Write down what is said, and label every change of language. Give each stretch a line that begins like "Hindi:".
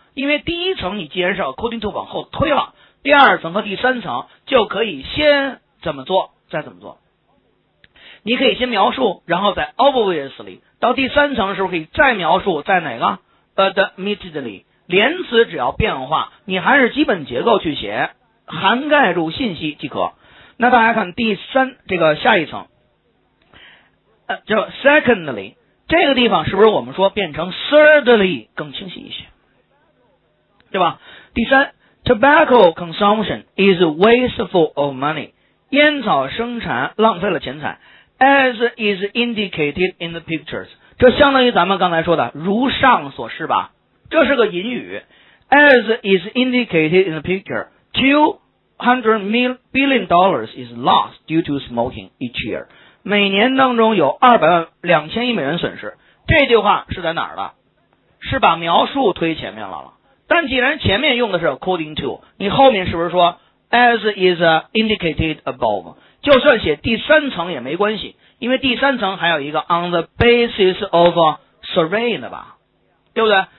Chinese: 因为第一层你既然是 according to 往后推了，第二层和第三层就可以先怎么做再怎么做，你可以先描述，然后再 obviously， 到第三层是不是可以再描述，在哪个 admittedly， 连词只要变化，你还是基本结构去写，涵盖住信息即可。那大家看第三这个下一层叫 secondly， 这个地方是不是我们说变成 thirdly 更清晰一些，对吧？第三，
English: tobacco consumption is wasteful of money，
Chinese: 烟草生产浪费了钱财，
English: as is indicated in the pictures，
Chinese: 这相当于咱们刚才说的如上所示吧，这是个引语，
English: as is indicated in the picture， $200 billion is lost due to smoking each year，
Chinese: 每年当中有200万2000亿美元损失，这句话是在哪儿的？是把描述推前面了。但既然前面用的是 according to， 你后面是不是说
English: as is indicated above，
Chinese: 就算写第三层也没关系，因为第三层还有一个
English: on the basis of survey
Chinese: 的吧，对不对？